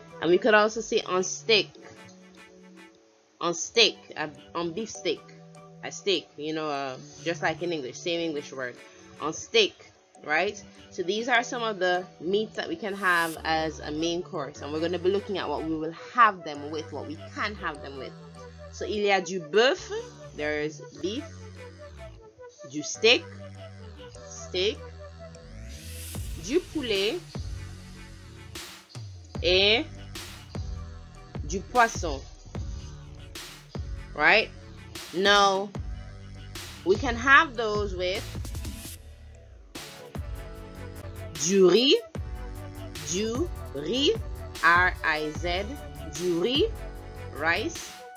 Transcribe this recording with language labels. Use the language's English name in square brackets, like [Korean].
[English] And we could also say on steak, on beef steak, a steak, you know, just like in English, same English word, on steak, right? So these are some of the meats that we can have as a main course, and we're going to be looking at what we will have them with, what we can have them with. [French] So il y a du bœuf, [English] there's beef. [French] Du steak, du poulet et du poisson, right? [English] Now, we can have those with du riz, R-I-Z, du riz, rice.